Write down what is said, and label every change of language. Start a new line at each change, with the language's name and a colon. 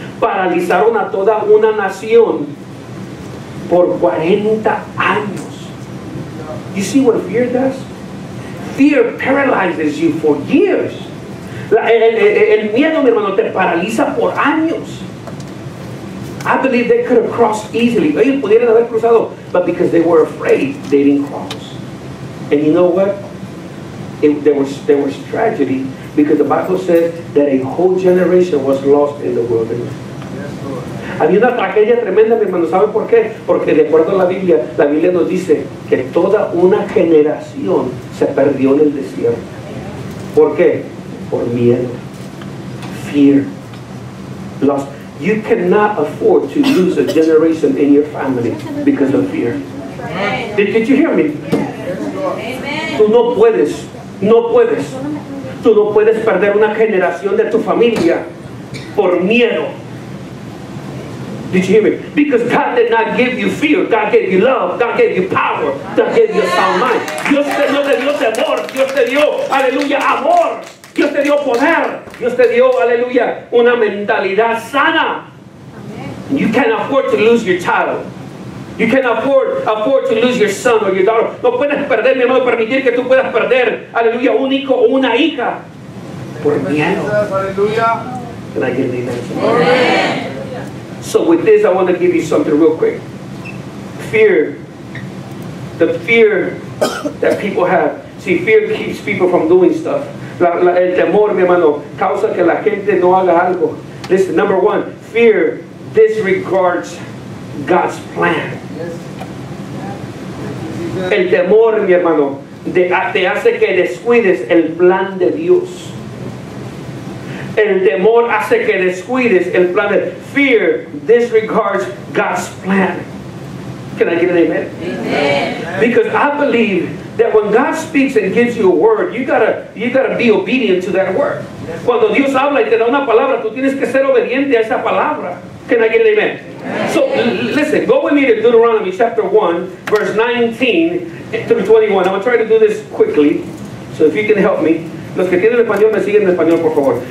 Spanish: Paralizaron a toda una nación por 40 años.
English: You see what fear does? Fear paralyzes you for years.
Spanish: El miedo, mi hermano, te paraliza por años.
English: I believe they could have crossed easily.
Spanish: Ellos pudieran haber cruzado,
English: but because they were afraid, they didn't cross. And you know what? There was tragedy, because the Bible says that a whole generation was lost in the wilderness.
Spanish: Había una tragedia tremenda, mi hermano. ¿Sabe por qué? Porque de acuerdo a la Biblia nos dice que toda una generación se perdió en el desierto. ¿Por qué? Por miedo.
English: Fear. Loss. You cannot afford to lose a generation in your family because of fear. Did you hear me?
Spanish: Tú no puedes. No puedes. Tú no puedes perder una generación de tu familia por miedo.
English: Did you hear me? Because God did not give you fear. God gave you love. God gave you power. God gave you a sound mind.
Spanish: Dios te dio temor. Dios te dio, aleluya, amor. Dios te dio poder. Dios te dio, aleluya, una mentalidad sana.
English: You can't afford to lose your child. You can't afford to lose your son or your daughter.
Spanish: No puedes perder, mi hermano, permitir que tú puedas perder, aleluya, un hijo o una hija. Por miedo. Aleluya.
English: So with this, I want to give you something real quick. Fear. The fear that people have. See, fear keeps people from doing stuff.
Spanish: El temor, mi hermano, causa que la gente no haga algo.
English: Listen, number one, fear disregards God's plan.
Spanish: El temor, mi hermano, te hace que descuides el plan de Dios. El temor hace que descuides el plan de Dios.
English: Fear disregards God's plan. Can I get an amen? Amen. Because I believe that when God speaks and gives you a word, you gotta be obedient to that word.
Spanish: Cuando Dios habla y te da una palabra, tú tienes que ser obediente a esa palabra.
English: Can I get an amen? So listen, go with me to Deuteronomy chapter 1, verse 19 through 21. I'm going to try to do this quickly, so if you can help me.
Spanish: Los que tienen español, me siguen en español, por favor.